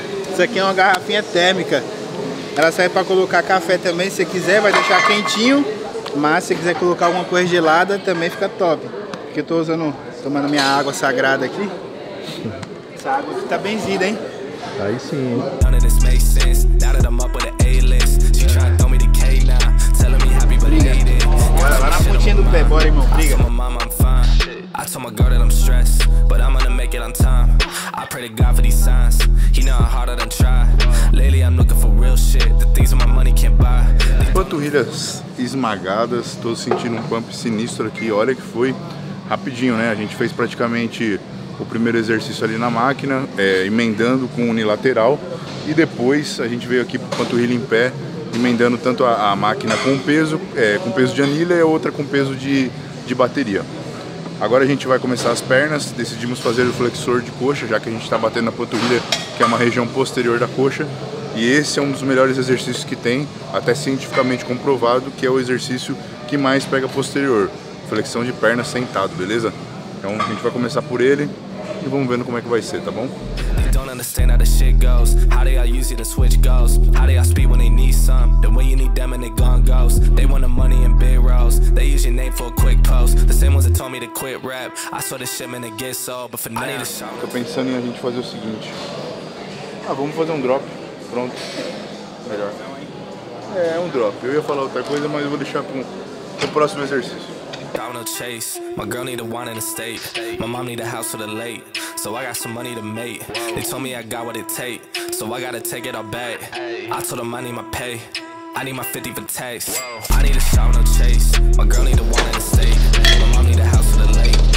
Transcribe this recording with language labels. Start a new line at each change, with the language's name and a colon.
Portuguese: Isso aqui é uma garrafinha térmica. Ela serve para colocar café também, se quiser, vai deixar quentinho. Mas se quiser colocar alguma coisa gelada, também fica top. Que eu tô usando, tomando minha água sagrada aqui. Essa água aqui tá benzida, hein? Aí sim, hein?
English: None of this makes sense. Now that I'm up with the A-list. She tryna throw me the K now. Telling me happy but hated.
Portuguese: Bora lá na pontinha do pé, bora, irmão. Briga.
English: I told my girl that I'm stressed, but I'm gonna make it on time. I pray to God for these signs. He know how hard I done try. Lately I'm looking for real shit. The things that my money can't buy.
Portuguese: As panturrilhas esmagadas, tô sentindo um pump sinistro aqui. Olha que foi rapidinho, né? A gente fez praticamente o primeiro exercício ali na máquina, emendando com o unilateral. E depois a gente veio aqui pro panturrilha em pé, emendando tanto a máquina com peso de anilha e a outra com peso de bateria. Agora a gente vai começar as pernas, decidimos fazer o flexor de coxa, já que a gente está batendo na panturrilha, que é uma região posterior da coxa. E esse é um dos melhores exercícios que tem, até cientificamente comprovado, que é o exercício que mais pega posterior. Flexão de perna sentado, beleza? Então a gente vai começar por ele e vamos vendo como é que vai ser, tá bom?
English: Understand how the shit goes, how they all use you to switch goals, how they all speak when they need some, then when you need them and they gone ghost, they want the money and big rolls, they use your name for a quick post, the same ones that told me to quit rap, I saw the shit man it gets old, but for now I need a show.
Portuguese: Tô pensando em a gente fazer o seguinte, vamos fazer um drop, pronto, melhor, um drop, eu ia falar outra coisa, mas eu vou deixar pro próximo exercício.
English: Chase, my girl need a wine and a steak. My mom need a house for the late. So I got some money to make. They told me I got what it take. So I gotta take it all back. I told them I need my pay. I need my 50 for tax. I need a shot, no chase. My girl need a wine and a steak. My mom need a house for the late.